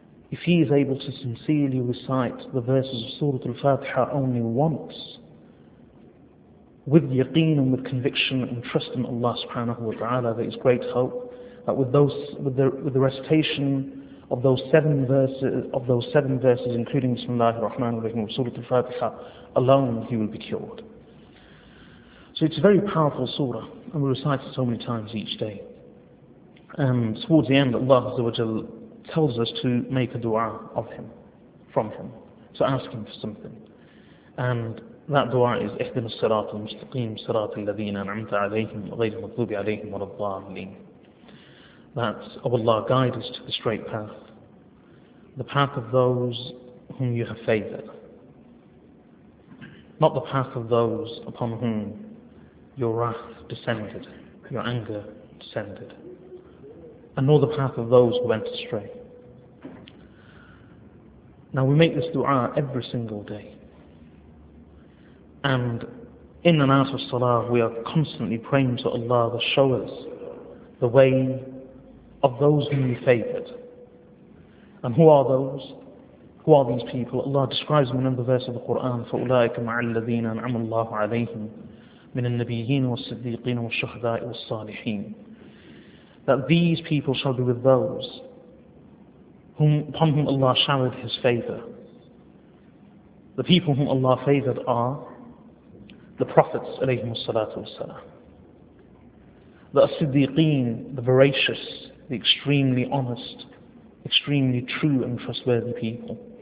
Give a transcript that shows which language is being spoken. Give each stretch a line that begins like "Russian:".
English: if he is able to sincerely recite the verses of Surah Al-Fatiha only once, with yaqeen and with conviction and trust in Allah subhanahu wa ta'ala, there is great hope that with the recitation of those seven verses, including Bismillah ar-Rahman ar-Rahim, Surah Al-Fatiha alone, he will be cured. So it's a very powerful surah, and we recite it so many times each day. And towards the end, Allah Azza wa Jal tells us to make a dua of him, from him, to ask him for something. And that dua is
Arabic: اهدنا الصراط المستقيم صراط الذين أنعمت عليهم غير المغضوب عليهم ولا الضالين.
English: That, oh Allah, guide us to the straight path, the path of those whom you have favoured, not the path of those upon whom your wrath descended, your anger descended, and nor the path of those who went astray. Now we make this dua every single day, and in and out of salah we are constantly praying to Allah to show us the way of those whom you favoured. And who are those? Who are these people? Allah describes them in another verse of the Quran,
Arabic: فَأُولَٰئِكَ مَعَ الَّذِينَ أَنْعَمَ اللَّهُ عَلَيْهِمْ مِنَ النَّبِيِّينَ وَالصِّدِّيقِينَ وَالشُّهَدَاءِ وَالصَّالِحِينَ.
English: That these people shall be with those upon whom Allah showered His favour. The people whom Allah favoured are the Prophets, alayhimu salatu wassalam. The as-siddiqeen, the veracious, the extremely honest, extremely true and trustworthy people.